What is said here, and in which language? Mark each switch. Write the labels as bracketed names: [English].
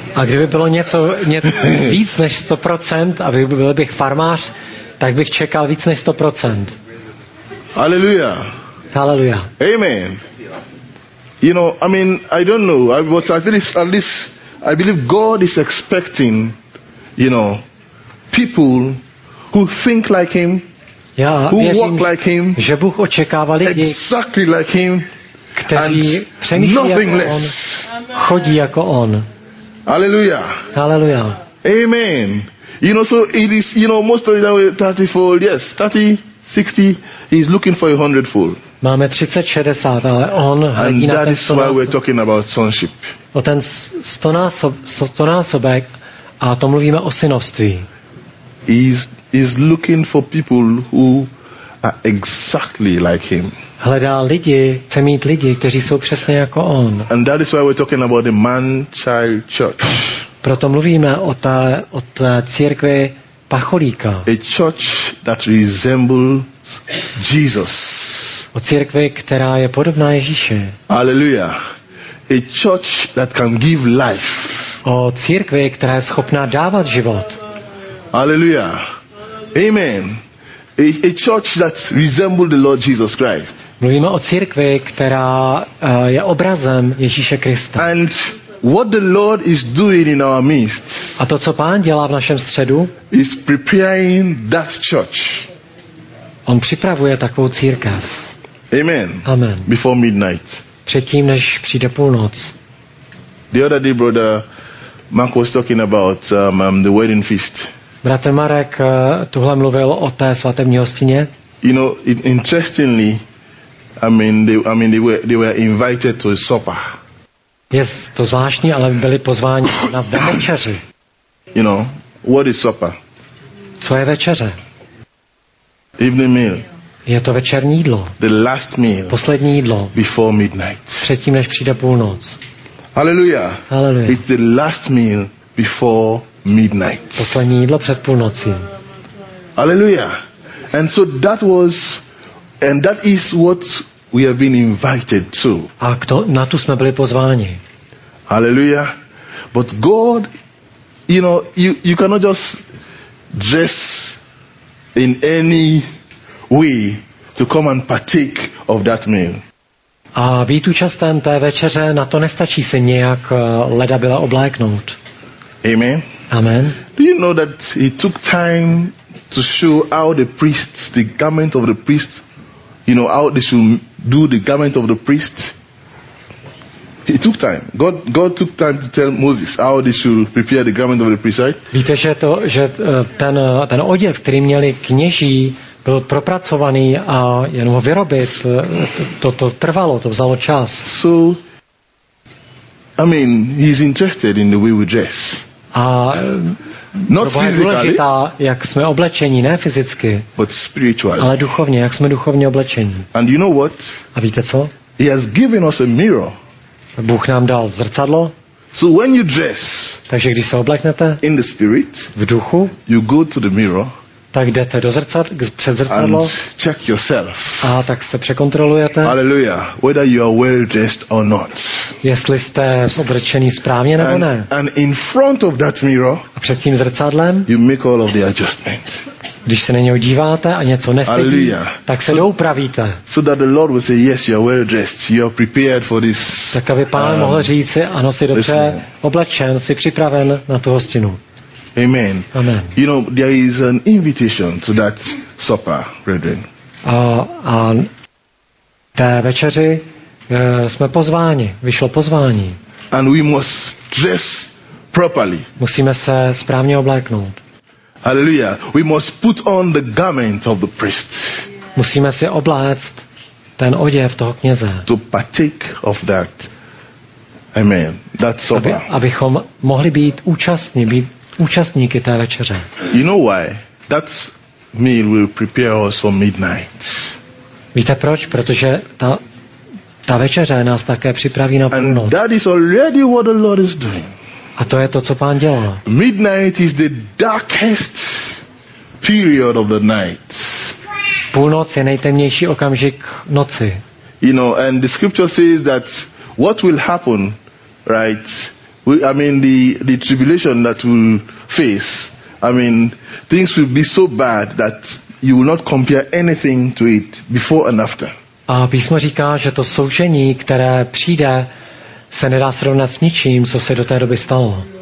[Czech] A kdyby bylo něco víc než 100%, aby byl bych farmář, tak bych čekal víc než 100%. Hallelujah. Hallelujah. Amen. [English] You know, I mean, I don't know, but at least I believe God is expecting, you know, people who think like him, walk like him, [Czech] že Bůh očekává lidi, [English] exactly like him, [Czech] kteří přemýšlí nothing jako less. On, chodí jako on. Hallelujah. Hallelujah. Amen. [English] You know, so it is, you know, most of it are 30-fold, yes, 30, 60, he's looking for 100-fold. [Czech] Máme 30, 60, ale on hledí na ten stonásobek. [English] And that is why we're talking about sonship. [Czech] O ten stonásobek a to mluvíme o synovství. [English] He's looking for people who are exactly like him. [Czech] Hledá lidi, chce mít lidi, kteří jsou přesně jako on. [English] And that is why we're talking about the man-child church. [Czech] Proto mluvíme o té církvi pacholíka. [English] A church that resembles Jesus. [Czech] O církvi, která je podobná Ježíši. Hallelujah. [English] A church that can give life. [Czech] O církvi, která je schopná dávat život. Hallelujah. Amen. [English] A church that resembles the Lord Jesus Christ. [Czech] Mluvíme o církvi, která je obrazem Ježíše Krista. [English] And what the Lord is doing in our midst. [Czech] A to, co Pán dělá v našem středu, [English] is preparing that church. [Czech] On připravuje takovou církev. Amen. Amen. [English] Before midnight. [Czech] Předtím, než přijde půlnoc. [English] The other day, brother Mark was talking about the wedding feast. [Czech] Bratr Marek tuhle mluvil o té svatební hostině. [English] You know, interestingly, they were invited to a supper. [Czech] Je to zvláštní, ale byli pozváni na večeři. [English] You know, what is supper? [Czech] Co je večeře? [English] Evening meal. [Czech] Je to večerní jídlo. [English] The last meal. [Czech] Poslední jídlo. [English] Before midnight. [Czech] Předtím, než přijde půlnoc. Hallelujah. Hallelujah. [English] It's the last meal before midnight. [Czech] Poslední jídlo před půlnocí. Hallelujah. [English] And so that was, and that is what we have been invited to. [Czech] A na to jsme byli pozváni. Hallelujah. [English] But God, you know, you cannot just dress in any way to come and partake of that meal. [Czech] A být účastem té večeře, na to nestačí se nějak leda byla obléknout. Amen. Amen. [English] Do you know that he took time to show how the priests, the garment of the priests, you know, how they should do the garment of the priest. He took time. God took time to tell Moses how they should prepare the garment of the priest, right? [Czech] Víte, že ten oděv, který měli kněží, byl propracovaný a jen ho vyrobit, to trvalo, to vzalo čas. [English] So, I mean, he's interested in the way we dress. [Czech] A [English] not physically, [Czech] jak jsme oblečení, ne fyzicky, [English] but spiritually. [Czech] Ale duchovně, jak jsme duchovně oblečení. [English] And you know what? [Czech] A víte co? [English] He has given us a mirror. [Czech] Bůh nám dal zrcadlo. [English] So when you dress, [Czech] takže když se obleknete, [English] in the spirit, [Czech] v duchu, [English] you go to the mirror, [Czech] tak jdete do před zrcadlo, [English] and check yourself. [Czech] A tak se překontrolujete. Hallelujah. [English] Whether you are well dressed or not. [Czech] Jestli jste oblečení správně nebo ne. [English] And in front of that mirror, [Czech] a před tím zrcadlem, [English] you make all of the adjustments. [Czech] Když se na něho díváte a něco nestydí, tak se doupravíte. [English] So that the Lord will say, yes, you are well dressed, you are prepared for this. [Czech] Tak aby Pán mohl říci, ano, jsi dobře oblečen, jsi připraven na tu hostinu. Amen. Amen. [English] You know, there is an invitation to that supper, brethren. [Czech] A té večeři jsme pozváni, vyšlo pozvání. [English] And we must dress properly. [Czech] Musíme se správně obléknout. Hallelujah. [English] We must put on the garment of the priest. [Czech] Musíme si obléct ten oděv toho kněze. [English] To partake of that. Amen. That supper. [Czech] Abychom mohli být účastní, být účastníky té večeře. [English] You know why? That meal will prepare us for midnight. [Czech] Víte proč? Protože ta večeře nás také připraví na půlnoc. [English] And that is already what the Lord is doing. [Czech] A to je to, co Pán dělá. [English] Midnight is the darkest period of the night. [Czech] Půlnoc je nejtemnější okamžik noci. [English] You know, and the scripture says that what will happen, right? The tribulation that we'll face. I mean, things will be so bad that you will not compare anything to it before and after. [Czech] A písmo říká, že to soužení, které přijde, se nedá srovnat s ničím, co se do té doby stalo.